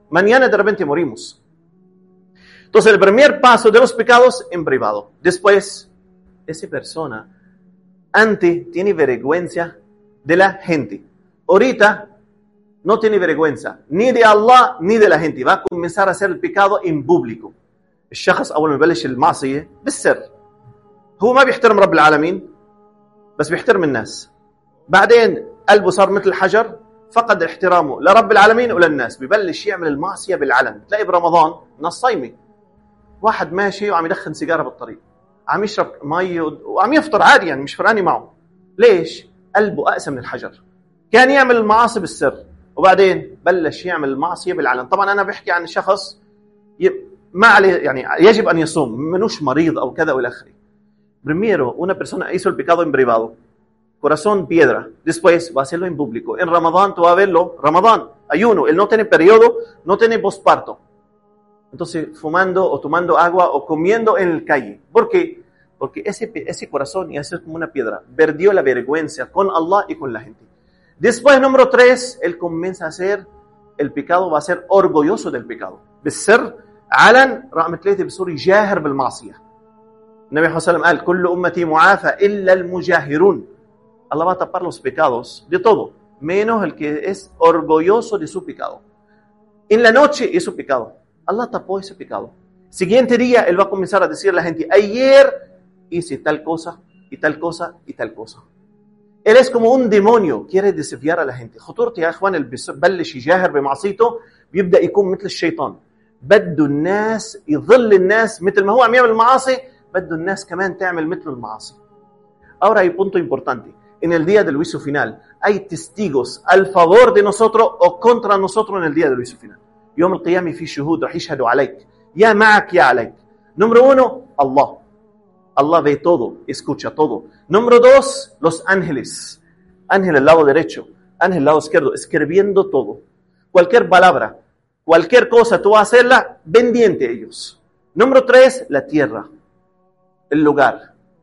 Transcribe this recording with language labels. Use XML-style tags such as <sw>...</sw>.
<es>Mañana de repente morimos. Entonces el primer paso de los pecados en privado. Después, esa persona antes tiene vergüenza de la gente. Ahorita no tiene vergüenza, ni de Allah, ni de la gente. Va a comenzar a hacer el pecado en público.</es> <ar>El شخص أول ما بلش المعصية بالسر. هو ما بيحترم رب العالمين, بس بيحترم الناس. بعدين قلبه صار مثل الحجر, فقد احترامه لرب العالمين ولا الناس. ببلش يعمل المعصية بالعلن. تلاقي برمضان نصيمي. واحد ماشي وعم يدخن سيجارة بالطريق. عم يشرب مي وعم يفطر عادي يعني مش فراني معه. ليش؟ قلبه أقسى من الحجر. كان يعمل المعاصي بالسر. وبعدين بلش يعمل المعصية بالعلن. طبعا أنا بحكي عن شخص ما عليه يعني يجب أن يصوم, منوش مريض أو كذا ولا آخر.</ar> <es>Primero una persona hizo el pecado en privado, corazón piedra. Después va a hacerlo en público. En Ramadán tú vas a verlo. Ramadán ayuno. Él no tiene periodo, no tiene posparto. Entonces fumando o tomando agua o comiendo en el calle. ¿Por qué? Porque ese corazón ya es como una piedra. Perdió la vergüenza con Allah y con la gente. Después, número 3, él comienza a hacer el pecado, va a ser orgulloso del pecado.</es> <ar>بالسر, علن, رقم 3, بصور يجاهر بالمعصية. النبي صلى الله عليه وسلم قال, كل أمتي معافى إلا المجاهرون.</ar> <es>Allah va a tapar los pecados de todo, menos el que es orgulloso de su pecado. En la noche hizo pecado. Allah tapó ese pecado. Siguiente día, él va a comenzar a decir a la gente, ayer hice tal cosa, y tal cosa, y tal cosa. Él es como un demonio, quiere desafiar a la gente.</es> <ar>خطورتي يا اخوان اللي ببلش يجاهر بمعصيته بيبدا يكون مثل الشيطان. بده الناس يظل الناس مثل ما هو عم يعمل المعاصي, بده الناس كمان تعمل مثل المعاصي.</ar> <es>Ahora hay punto importante. En el día del juicio final hay testigos al favor de nosotros o contra nosotros en el día del juicio final.</es> <ar>يوم القيامه في شهود راح يشهدوا عليك. يا معك يا عليك.</ar> <es>Número 1,</es> <ar>Allah.</ar> <es>Allah ve todo, escucha todo. Número 2, los ángeles. Ángel al lado derecho, ángel al lado izquierdo, escribiendo todo. Cualquier palabra, cualquier cosa, tú vas a hacerla pendiente a ellos. Número 3, la tierra, el lugar.</es>